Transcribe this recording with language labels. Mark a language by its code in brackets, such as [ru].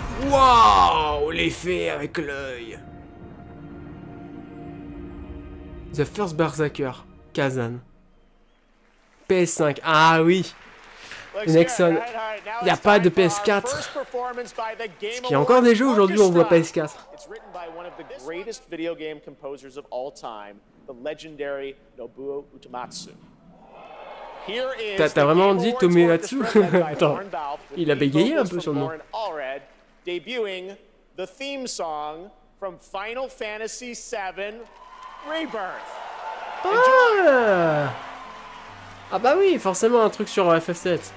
[fr] Waouh, l'effet avec l'œil. [en] The First Berserker, Kazan. PS5, [fr] ah oui. Nexon, il n'y a pas de PS4. Ce qui est encore des jeux aujourd'hui, on voit PS4. [en] It's written by one of the greatest video game composers of all time, the legendary Nobuo Uematsu. [fr] T'as vraiment dit Tomiyatsu? Attends, il a bégayé un peu sur le nom. [en] Debuting the theme song from Final Fantasy VII Rebirth. Enjoy. [fr] Ah bah oui, forcément un truc sur FF7.